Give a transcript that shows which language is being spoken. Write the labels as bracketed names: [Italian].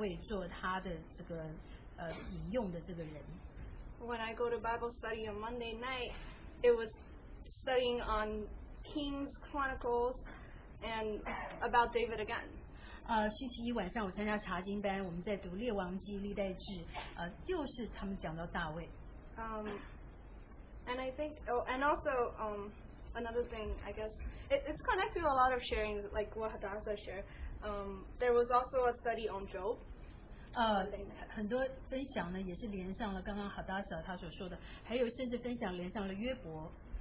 [Chinese] 当我们在大学的交通聚会的时候，有个姐妹她在分享她的经历的时候，她就以大卫做她的这个引用的这个人。 [English] When I go to Bible study on Monday night, it was studying on Kings, Chronicles, and about David again. [Chinese] 星期一晚上我参加查经班，我们在读《列王记》《历代志》，又是他们讲到大卫。 [English] And I think, oh, and also, another thing, I guess, it's connected to a lot of sharing, like what Hadassah shared. There was also a study on Job. [Chinese] 很多分享呢，也是连上了刚刚 Hadassah 他所说的，还有甚至分享连上了约伯。